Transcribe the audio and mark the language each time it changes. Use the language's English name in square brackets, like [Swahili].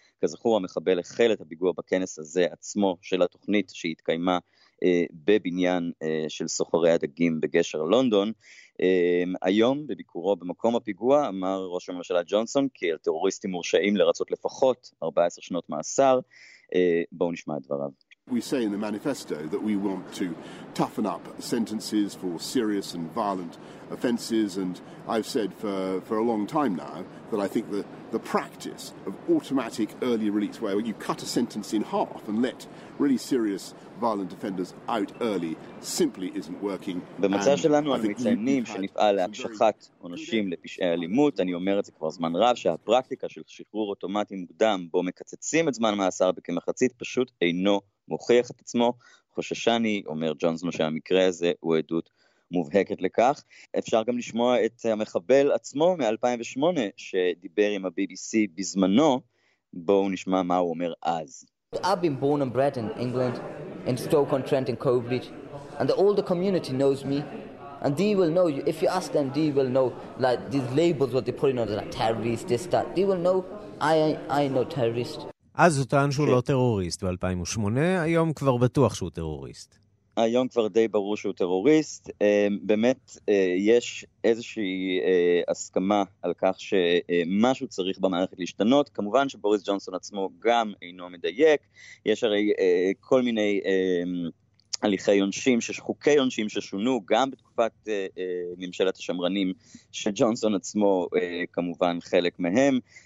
[Hebrew] כזכור, המחבל החל את הפיגוע בכנס הזה עצמו של התוכנית שהתקיימה בבניין של סוחרי הדגים בגשר לונדון. היום בביקורו במקום הפיגוע אמר ראש הממשלה ג'ונסון כי על טרוריסטים מורשעים לרצות לפחות 14 שנות מאסר. בואו נשמע את דבריו. [English] We say in the manifesto that we want to toughen up sentences for serious and violent offenses, and I've said for a long time now that I think that the practice of automatic early release, where you cut a sentence in half and let really serious violent offenders out early, simply isn't working. [Hebrew] במצב שלנו אנו מציינים שנפעל להקשחת עונשים לפשעי אלימות. אני אומר את זה כבר זמן רב, שהפרקטיקה של שחרור אוטומטי מוקדם בו מקצצים את זמן מאסר בכמחצית פשוט אינו מוכיח את עצמו. חוששני, אומר ג'ונסון, שהמקרה הזה הוא עדות מובהקת לכך. אפשר גם לשמוע את המחבל עצמו מ-2008 שדיבר עם ה-BBC בזמנו. בואו נשמע מה הוא אומר אז. [English] I've been born and bred in England, in Stoke-on-Trent in Cowbridge, and the older community knows me, and they will know, if you ask them, they will know, like these labels what they're putting on, like terrorists, this, that, they will know, I know terrorist. [Hebrew] אז הוא טען שהוא לא טרוריסט ב-2008, היום כבר בטוח שהוא טרוריסט. היום כבר די ברור שהוא טרוריסט. באמת יש איזושהי הסכמה על כך שמשהו צריך במערכת להשתנות. כמובן שבוריס ג'ונסון עצמו גם אינו מדייק. יש הרי כל מיני הליכי יונשים, חוקי יונשים ששונו גם בתקופת ממשלת השמרנים שג'ונסון עצמו כמובן חלק מהם.